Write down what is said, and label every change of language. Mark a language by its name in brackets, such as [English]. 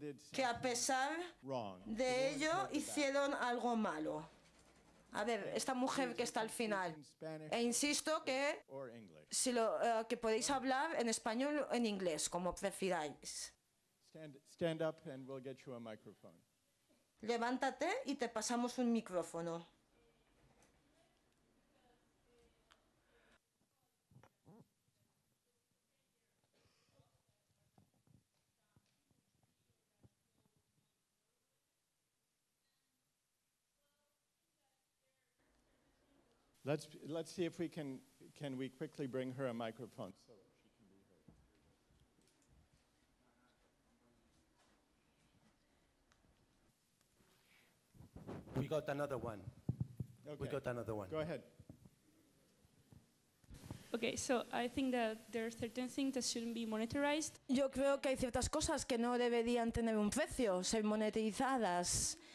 [Spanish] Que a pesar de ello hicieron algo malo. A ver, esta mujer que está al final. E insisto que, que podéis hablar en español o en inglés, como prefiráis. [English] Stand up and we'll get you a microphone. [Spanish] Levántate y te pasamos un micrófono. [English] Let's see if we can we quickly bring her a microphone. We got another one. Okay. We got another one. Go ahead. Okay, so I think that there are certain things that shouldn't be monetized. [Spanish] Yo creo que hay ciertas cosas que no deberían tener un precio, ser monetizadas.